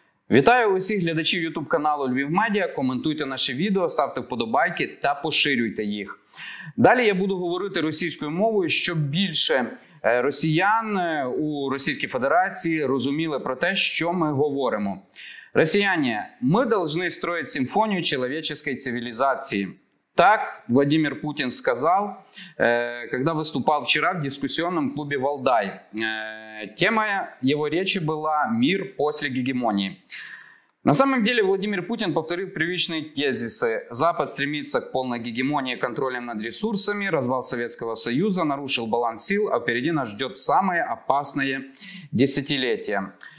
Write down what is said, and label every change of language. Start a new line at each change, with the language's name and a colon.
Ukrainian: Вітаю усіх глядачів YouTube-каналу «Львівмедіа». Коментуйте наші відео, ставте вподобайки та поширюйте їх. Далі я буду говорити російською мовою, щоб більше росіян у Російській Федерації розуміли про те, що ми говоримо. Росіяне, ми повинні строїти симфонію чоловічої цивілізації. Так Владимир Путін сказав, коли виступав вчора в дискусійному клубі «Валдай».
Russian: Тема его речи была «Мир после гегемонии». На самом деле Владимир Путин повторил привычные тезисы. Запад стремится к полной гегемонии, контролем над ресурсами, развал Советского Союза, нарушил баланс сил, а впереди нас ждет самое опасное десятилетие.